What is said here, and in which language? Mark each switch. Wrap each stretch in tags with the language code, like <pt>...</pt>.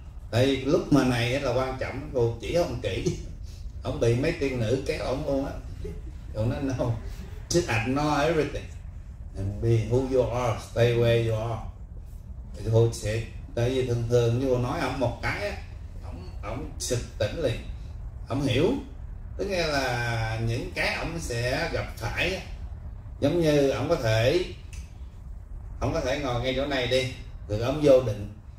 <vi>Tại vì lúc mà này là quan trọng, sư phụ chỉ ông kỹ. Ổng bị mấy tiên nữ kéo ổng luôn á. Ổng nói</vi> <en>no, just ignore everything. And be who you are, stay where you are.</en> <vi>Thì thôi sẽ, tại vì thường thường như nói ổng một cái á, ổng sực tỉnh liền, ổng hiểu. Tức nghe là những cái ổng sẽ gặp phải á, giống như ổng có thể ngồi ngay chỗ này đi, rồi ổng vô định.</vi>